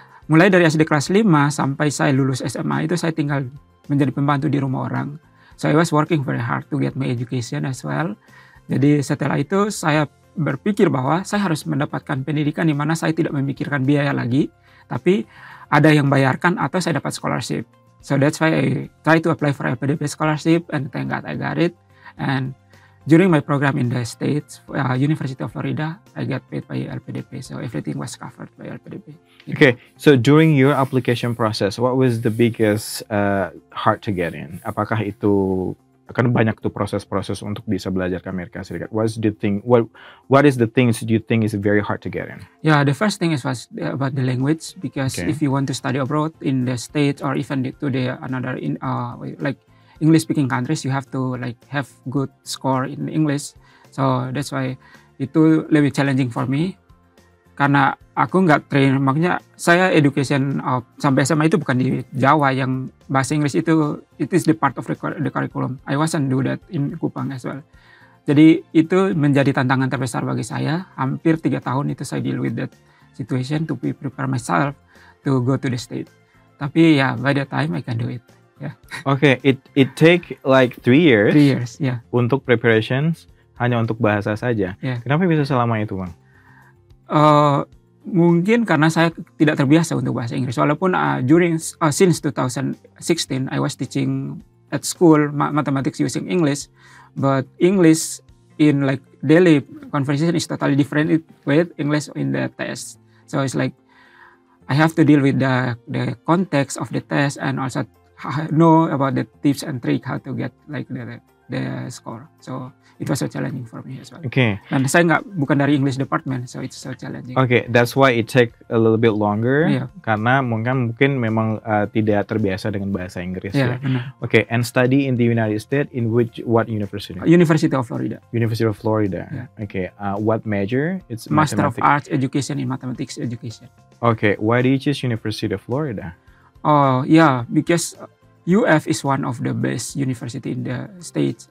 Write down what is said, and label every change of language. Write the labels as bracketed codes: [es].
[id] Mulai dari SD kelas 5 sampai saya lulus SMA itu saya tinggal menjadi pembantu di rumah orang. [en] So I was working very hard to get my education as well. [id] Jadi setelah itu saya berpikir bahwa saya harus mendapatkan pendidikan di mana saya tidak memikirkan biaya lagi, tapi ada yang bayarkan atau saya dapat scholarship. [en] So that's why I try to apply for FPDP scholarship and thank God I got it. And during my program in the States, University of Florida, I got paid by LPDP. So everything was covered by LPDP. Okay, so during your application process, what was the biggest hard to get in? [id] Apakah itu, kan banyak tuh proses-proses untuk bisa belajar ke Amerika Serikat. [en] What is the things you think is very hard to get in? Yeah, the first thing is was about the language, because okay. If you want to study abroad in the States or even to the another in like English speaking countries, you have to like have good score in English. So that's why [id] itu lebih [en] challenging for me. [id] Karena aku nggak [en] train, [id] makanya saya [en] education [id] sampai SMA itu bukan di Jawa, yang bahasa Inggris itu [en] it is the part of the curriculum. I wasn't do that in Kupang as well. [id] Jadi itu menjadi tantangan terbesar bagi saya. Hampir 3 tahun itu saya [en] deal with that situation to prepare myself to go to the state. [id] Tapi ya, [en] by the time I can do it. Yeah. Okay, it take like 3 years. 3 years, yeah. [id] Untuk preparations hanya untuk bahasa saja. [en] Yeah. [id] Kenapa bisa selama itu, Bang? Mungkin karena saya tidak terbiasa untuk bahasa Inggris. Walaupun [en] since 2016 I was teaching at school mathematics using English, but English in like daily conversation is totally different with English in the test. So it's like I have to deal with the context of the test and also know about the tips and trick how to get like the score. So it was so challenging for me as well. Okay. [id] Dan saya bukan dari [en] English department, so it's so challenging. Okay, that's why it take a little bit longer. Yeah. [id] Karena mungkin memang tidak terbiasa dengan bahasa Inggris. [en] Yeah, [id] ya. [en] Okay, and study in the United States in which what university? University of Florida. University of Florida. Yeah. Okay. What major? It's Master of Arts Education in Mathematics Education. Okay, why do you choose University of Florida? Oh, yeah, because UF is one of the best university in the states.